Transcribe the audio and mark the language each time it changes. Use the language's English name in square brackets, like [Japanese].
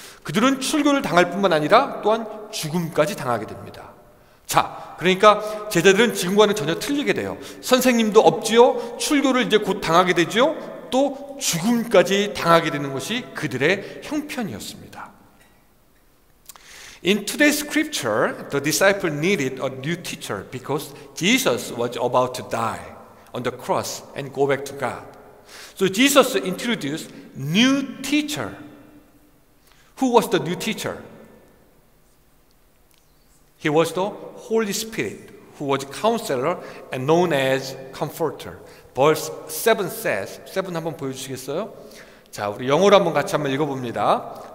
[Korean] 그들은 출교를 당할 뿐만 아니라 또한 죽음까지 당하게 됩니다. 자, 그러니까 제자들은 지금과는 전혀 틀리게 돼요. 선생님도 없지요? 출교를 이제 곧 당하게 되지요? 또 죽음까지 당하게 되는 것이 그들의 형편이었습니다. [English] In today's scripture, the disciple needed a new teacher because Jesus was about to die on the cross and go back to God. So Jesus introduced new teacher. Who was the new teacher? He was the Holy Spirit, who was counselor and known as comforter. Verse 7 says, [Korean] 7 한번 보여주시겠어요? 자, 우리 영어로 한번 같이 한번 읽어봅니다.